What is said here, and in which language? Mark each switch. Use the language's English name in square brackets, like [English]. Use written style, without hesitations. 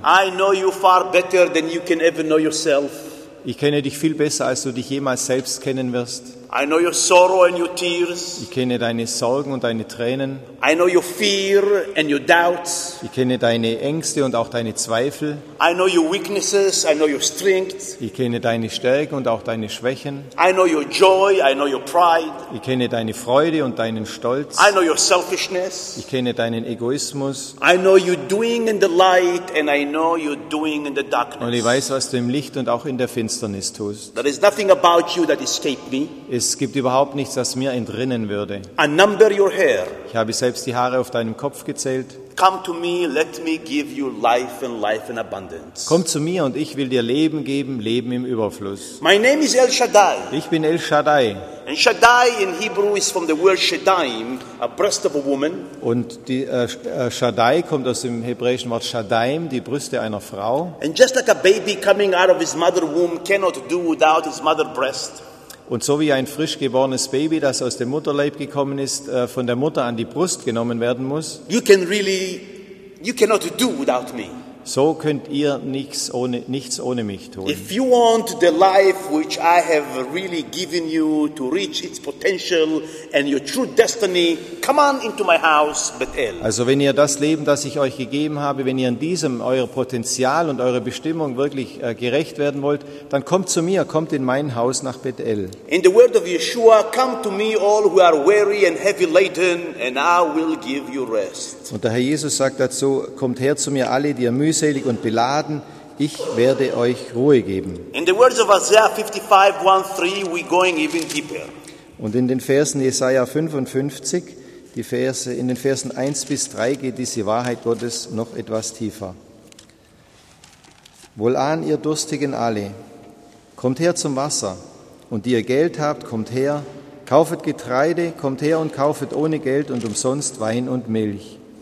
[English] I know you far better than you can ever know yourself. [German] Ich kenne dich viel besser, als du dich jemals selbst kennen wirst. [English] I know your sorrow and your tears. [German] Ich kenne deine Sorgen und deine Tränen. [English] I know your fear and your doubts. [German] Ich kenne deine Ängste und auch deine Zweifel. [English] I know your weaknesses. I know your strengths. [German] Ich kenne deine Stärken und auch deine Schwächen. [English] I know your joy. I know your pride. [German] Ich kenne deine Freude und deinen Stolz. [English] I know your selfishness. [German] Ich kenne deinen Egoismus. [English] I know you doing in the light and I know you doing in the darkness. [German] Und ich weiß, was du im Licht und auch in der Finsternis tust. [English] There is nothing about you that escaped me. [German] Es gibt überhaupt nichts, das mir entrinnen würde. [English] I number your hair. [German] Ich habe selbst die Haare auf deinem Kopf gezählt. [English] Come to me, let me give you life and life in abundance. [German] Komm zu mir und ich will dir Leben geben, Leben im Überfluss. [English] My name is El Shaddai. [German] Ich bin El Shaddai. [English] And Shaddai in Hebrew is from the word Shadaim, a breast of a woman. [German] Und die Shaddai kommt aus dem hebräischen Wort Shadaim, die Brüste einer Frau. [English] And just like a baby coming out of his mother womb cannot do without his mother breast. [German] Und so wie ein frisch geborenes Baby, das aus dem Mutterleib gekommen ist, von der Mutter an die Brust genommen werden muss, [English] you cannot do without me. [German] So könnt ihr nichts ohne mich tun. [English] If you want the life which I have really given you to reach its potential and your true destiny, come on into my house, Bethel. [German] Also wenn ihr das Leben, das ich euch gegeben habe, wenn ihr in diesem euer Potenzial und eure Bestimmung wirklich gerecht werden wollt, dann kommt zu mir, kommt in mein Haus nach Bethel. [English] In the word of Yeshua, come to me all who are weary and heavy laden and I will give you rest. [German] Und der Herr Jesus sagt dazu, kommt her zu mir alle, die ihr mühselig und beladen, ich werde euch Ruhe geben. [English] In the words of Isaiah 55:1-3, we're going even deeper. [German] Und in den Versen Jesaja 55, in den Versen 1-3 geht diese Wahrheit Gottes noch etwas tiefer. Wohlan, ihr Durstigen alle, kommt her zum Wasser, und die ihr Geld habt, kommt her, kaufet Getreide, kommt her und kaufet ohne Geld und umsonst Wein und Milch.